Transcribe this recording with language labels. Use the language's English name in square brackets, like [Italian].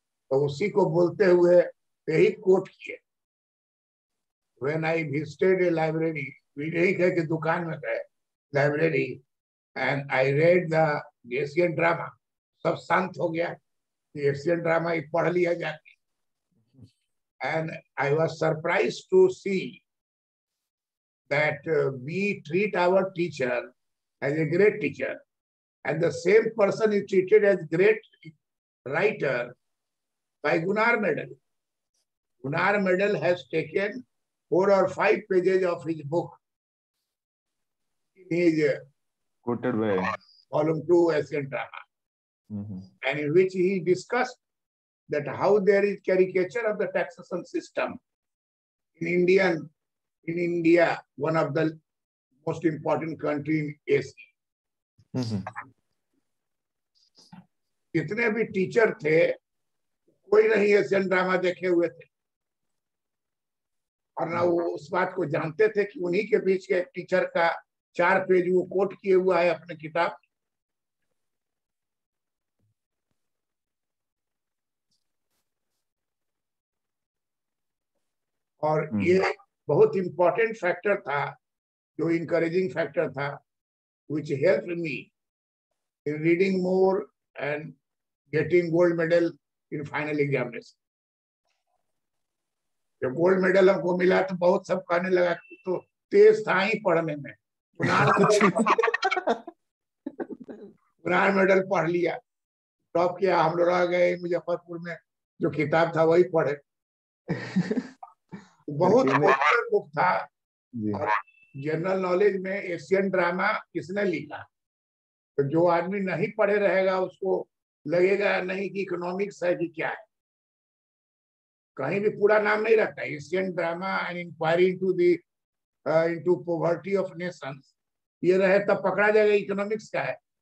[Hindi] तो उसी को बोलते हुए यही कोट किए. [English] when I visited a library, we [Hindi] नहीं कहे कि दुकान में गए, [English] Library and I read the Asian drama. [Hindi] सब शांत हो गया. Asian drama ही पढ़ लिया जाके. [English] And I was surprised to see that we treat our teacher as a great teacher, and the same person is treated as great writer by Gunnar Myrdal. Gunnar Myrdal has taken four or five pages of his book. He quoted by Column 2, etc. Mm-hmm. And in which he discussed that how there is caricature of the taxation system in Indian, in India, one of the most important country in Asia. [Hindi] जितने भी teacher थे कोई नहीं Asian drama देखे हुए थे और ना वो उस बात को जानते थे कि उन्हीं के बीच के टीचर का चार पेज वो कोट किए हुआ है अपने किताब और ये बहुत इम्पोर्टेंट फैक्टर था [English] जो encouraging factor था which helped me in reading more and getting gold medal in final examination. [Hindi] जब gold medal हमको मिला तो बहुत सब कहने लगा कि तो तेज था ही पढ़ने में. Gunnar medal पढ़ लिया. Top किया हम लोग आ गए मुजफ्फरपुर में जो किताब था वही पढ़े. बहुत popular book था. General knowledge में Asian drama किसने लिखा? तो जो आदमी नहीं पढ़े रहेगा उसको लगेगा नहीं कि इकोनॉमिक्स है कि क्या है कहीं भी पूरा नाम नहीं रखता Asian drama and inquiry into the into poverty of Nations ये रहे तब पकड़ा जाएगा इकोनॉमिक्स का है